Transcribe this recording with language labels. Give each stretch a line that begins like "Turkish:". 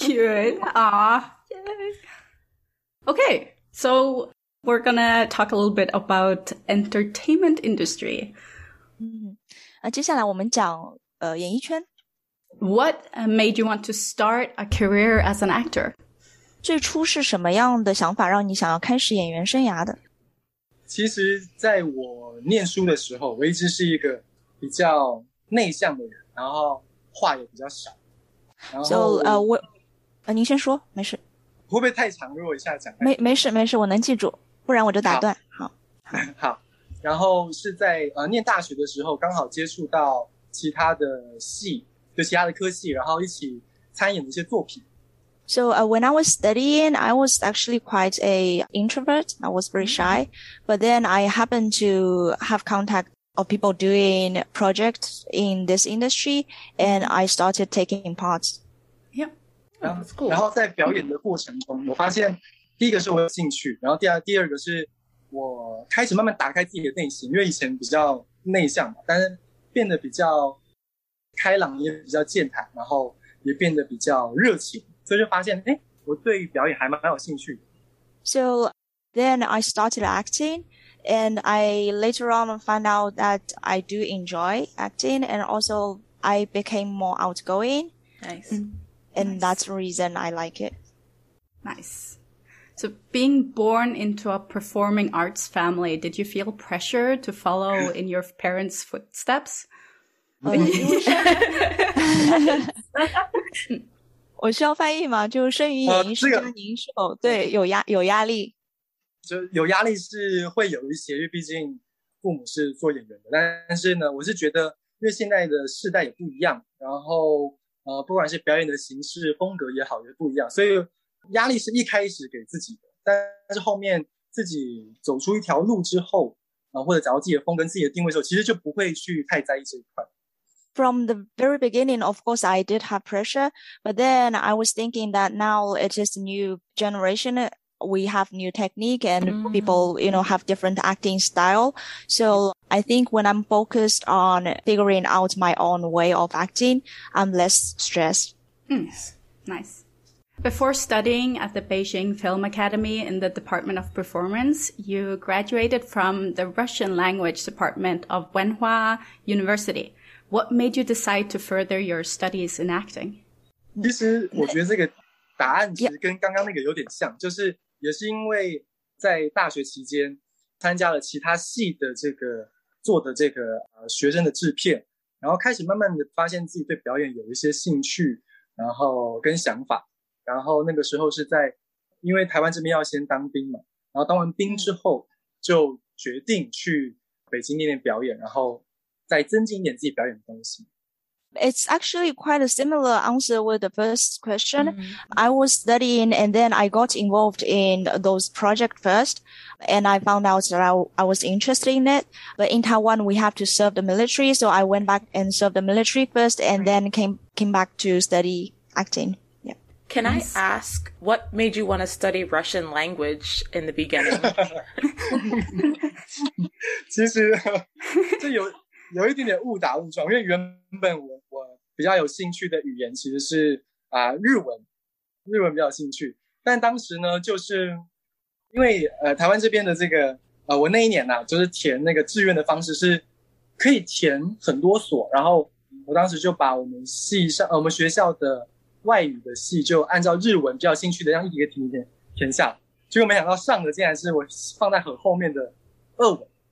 English: Cute. Aw. Okay, so we're gonna talk a little bit about entertainment industry.
Chinese: 接下来我们讲演艺圈。
English: What made you want to start a career as an actor?
Chinese: 最初是什么样的想法让你想要开始演员生涯的？其实在我念书的时候，我一直是一个比较内向的人，然后话也比较少。您先说，没事。会不会太长？如果一下讲？没事，我能记住，不然我就打断。好。然后是在念大学的时候，刚好接触到其他的戏，就其他的科系，然后一起参演的一些作品。
English: So, when I was studying, I was actually quite a introvert. I was very shy. But then I happened to have contact of people doing projects in this industry, and I started taking part. Yeah. That's cool.
Chinese: 然后在表演的过程中，我发现第一个是我有兴趣，然后第二个是我开始慢慢打开自己的内心，因为以前比较内向嘛，但是变得比较开朗，也比较健谈，然后也变得比较热情。所以就发现，我对表演还蛮有兴趣的。
English: So then I started acting, and I later on found out that I do enjoy acting, and also I became more outgoing. Nice. And nice. That's the reason I like it. Nice. So being born into a performing arts family, did you feel pressure to follow in your parents' footsteps?
Chinese: Oh. 我需要翻译吗？就生于演艺世家，您是否对有压力？就有压力是会有一些，因为毕竟父母是做演员的。但是呢，我是觉得，因为现在的世代也不一样，然后不管是表演的形式、风格也好，也不一样，所以压力是一开始给自己的。但是后面自己走出一条路之后，或者找到自己的风跟自己的定位的时候，其实就不会去太在意这一块。
English: From the very beginning, of course, I did have pressure, but then I was thinking that now it is a new generation. We have new technique and people, have different acting style. So I think when I'm focused on figuring out my own way of acting, I'm less stressed. Nice. Before studying at the Beijing Film Academy in the Department of Performance, you graduated from the Russian Language Department of Wenhua University. What made you decide to further your studies in acting?
Chinese: 其实我觉得这个答案其实跟刚刚那个有点像，就是也是因为在大学期间参加了其他系的这个做的这个学生的制片，然后开始慢慢的发现自己对表演有一些兴趣，然后跟想法，然后那个时候是在因为台湾这边要先当兵嘛，然后当完兵之后就决定去北京那边表演，然后再增进一点自己表演的东西。
English: It's actually quite a similar answer with the first question. Mm-hmm. I was studying and then I got involved in those projects first and I found out that I was interested in it. But in Taiwan, we have to serve the military. So I went back and served the military first and then came back to study acting. Yeah. Can I ask what made you want to study Russian language in the beginning?
Chinese: 其实这有一点点误打误撞，因为原本我比较有兴趣的语言其实是日文比较有兴趣。但当时呢，就是因为台湾这边的这个我那一年呢、啊、就是填那个志愿的方式是可以填很多所，然后我当时就把我们学校的外语的系就按照日文比较兴趣的这样一个填下，结果没想到上的竟然是我放在很后面的俄文。